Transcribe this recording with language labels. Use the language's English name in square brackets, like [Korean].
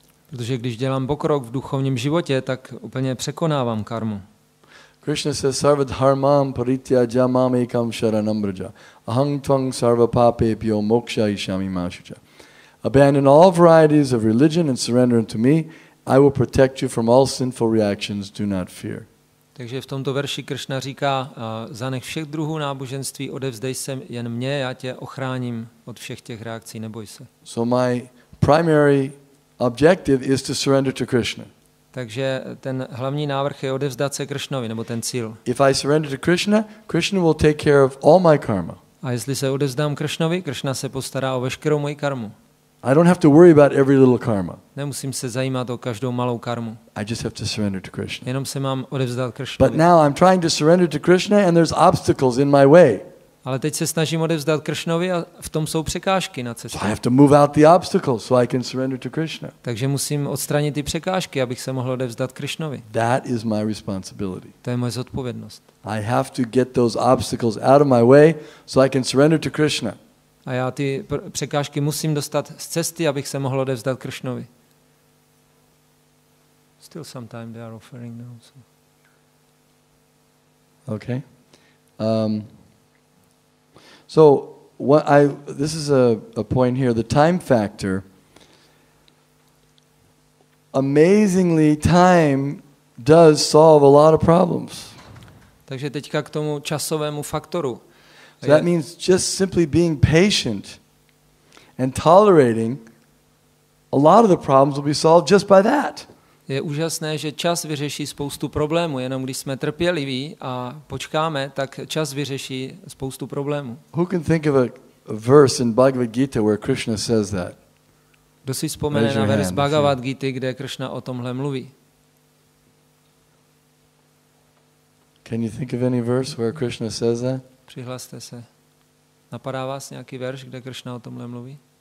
[Czech] Protože když dělám pokrok v duchovním životě, tak úplně překonávám karmu. [English] Krishna says [Sanskrit] sarva dharmam parityajya mam ekam sharanam braja. Aham tvam sarva papebhyo moksha iṣyāmi mā śuca. [English] Abandon all varieties of religion and surrender unto me. I will protect you from all sinful reactions. Do not fear. [Czech] Takže v tomto verši Krishna říká, zanech všech druhů náboženství, odevzdej se jen mně, já tě ochráním od všech těch reakcí, neboj se. [English] So my primary objective is to surrender to Krishna. [Czech] Takže ten hlavní návrh je odevzdat se Krishnovi, nebo ten cíl. [English] If I surrender to Krishna, Krishna will take care of all my karma. [Czech] A jestli se odevzdám Krishnovi, Krishna se postará o veškerou moji karmu. [English] I don't have to worry about every little karma. [Czech] Nemusím se zajímat o každou malou karmu. [English] I just have to surrender to Krishna. [Czech] Jenom se mám odevzdat Krishnovi. [English] But now I'm trying to surrender to Krishna and there's obstacles in my way. [Czech] Ale teď se snažím odevzdat Krishnovi a v tom jsou překážky na cestě. [English] So I have to move out the obstacles so I can surrender to Krishna. [Czech] Takže musím odstranit ty překážky, abych se mohl odevzdat Krishnovi. [English] That is my responsibility. [Czech] To je moje zodpovědnost. [English] I have to get those obstacles out of my way so I can surrender to Krishna. [Czech] A já ty překážky musím dostat z cesty, abych se mohl odevzdat Krishnovi. [English] Still some time they are offering now. So. Okay. So what I this is a point here, the time factor. Amazingly, time does solve a lot of problems. [Czech] Takže teďka k tomu časovému faktoru. [English] So that means just simply being patient and tolerating a lot of the problems will be solved just by that. [Czech] Je úžasné, že čas vyřeší spoustu problémů, jenom když jsme trpěliví a počkáme, tak čas vyřeší spoustu problémů. [English] Who can think of a verse in Bhagavad Gita where Krishna says that? [Czech] Kdo si vzpomene na verš Bhagavad Gita, kde Krishna o tomhle mluví? [English] Can you think of any verse where Krishna says that? [Czech] Přihlaste se. Napadá vás nějaký verš, kde Krishna o tomhle mluví?